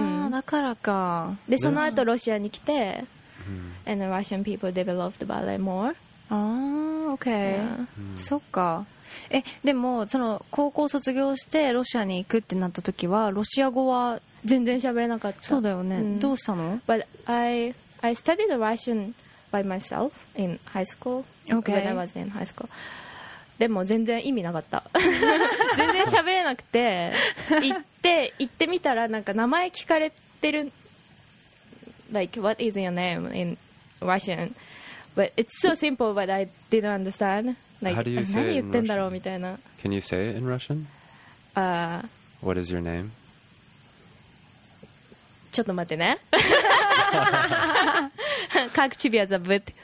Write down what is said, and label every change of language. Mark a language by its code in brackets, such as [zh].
[ja] だからかでその後ロシアに来て、mm. [en] and the Russian people developed ballet more OK、yeah. [ja] そっかえでもその高校卒業してロシアに行くってなった時はロシア語は全然喋れなかったそうだよね、mm. どうしたの [en] But I studied Russianby myself in high school、 okay. when I was in high school [ja] でも全然意味なかった全然喋れなくて行ってみたらなんか名前聞かれてる [en] like what is your name in Russian but it's so simple but I didn't understand like How do you say [ja] 何言ってんだろうみたいな [en] Can you say it in Russian?、What is your name? [ja] ちょっと待ってねカクチビアザブッ